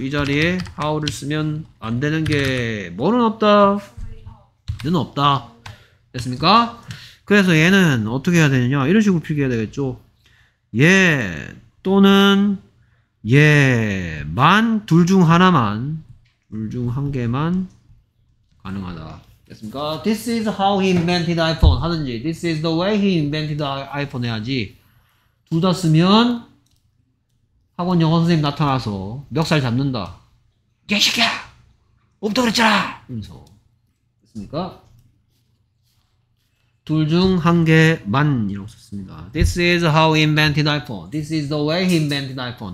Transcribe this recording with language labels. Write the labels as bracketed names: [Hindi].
[Korean] 이 자리에 how를 쓰면 안 되는 게 뭐는 없다? 는 없다. 됐습니까? 그래서 얘는 어떻게 해야 되느냐? 이런 식으로 표기해야 되겠죠. 예 또는 예, 만 둘 중 하나만, 둘 중 한 개만 가능하다. 됐습니까? [English] This is how he invented iPhone [Korean] 하든지, [English] This is the way he invented iPhone [Korean] 해야지. 둘 다 쓰면 학원 영어 선생님 나타나서 멱살 잡는다. 야, 시키야! 없다 그랬잖아! 이러면서. 됐습니까? 둘 중 한 개만 이라고 썼습니다. [English] This is how he invented iPhone. This is the way he invented iPhone.